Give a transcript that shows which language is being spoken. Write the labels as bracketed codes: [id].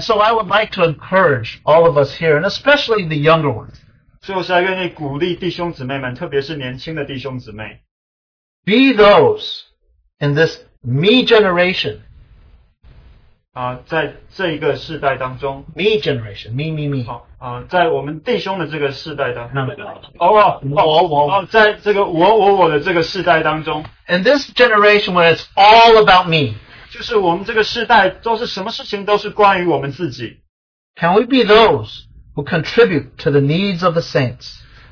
[en] so I would like to encourage all of us here, and especially the younger ones. [zh] 所以我是愿意鼓励弟兄姊妹们，特别是年轻的弟兄姊妹。 [en] Be those in this me generation. [zh] 在这一个世代当中。 [en] Me generation, me. [zh] 在我们弟兄的这个世代当中。 [en] In this generation where it's all about me. [zh] 就是我们这个世代都是什么事情都是关于我们自己。 [en] Can we be those who contribute to the needs of the saints?